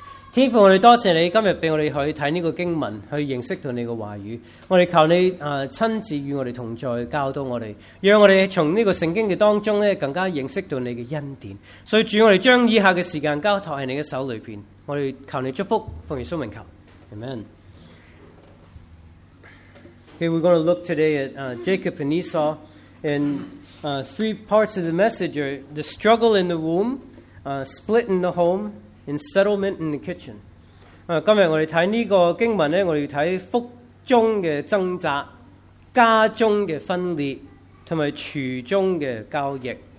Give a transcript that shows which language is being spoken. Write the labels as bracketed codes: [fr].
[zh] 天父，我们多谢你今天让我们去看这个经文，去认识到你的话语。我们求你亲自与我们同在，教导我们，让我们从这个圣经的当中更加认识到你的恩典。所以主，我们将以下的时间交托在你的手里面，我们求你祝福，奉耶稣名求， Amen。 [en] Okay, we're going to look today at Jacob and Esau in three parts of the message: the struggle in the womb, split in the home,In settlement in the kitchen. [zh] 今天我们看这个经文，我们看腹中的挣扎，家中的分裂，还有厨中的交易。